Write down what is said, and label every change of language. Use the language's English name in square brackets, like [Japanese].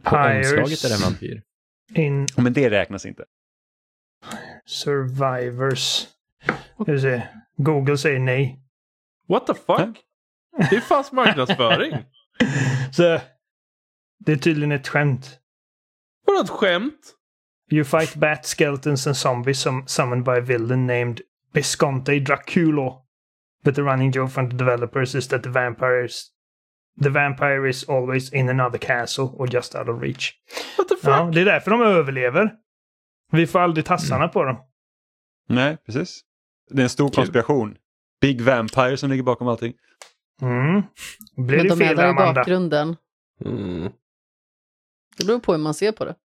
[Swedish] På omslaget är det en vampyr. Men det räknas inte. Survivors... Google säger nej. [English] What the fuck? [Swedish] Det är fast marknadsföring. Så det är tydligen ett skämt. Vad är ett skämt? [English] You fight bat skeletons and zombies summoned by a villain named Bisconte Draculo. But the running joke from the developers is that the vampire is always in another castle or just out of reach. What the fuck? [Swedish] Ja, det är därför de överlever. Vi får aldrig tassarna på dem. Nej, precis. Det är en stor konspiration. Big Vampire som ligger bakom allting. Mm. Blir men det fel, de är där Amanda? I bakgrunden. Mm. Det beror på hur man ser på det.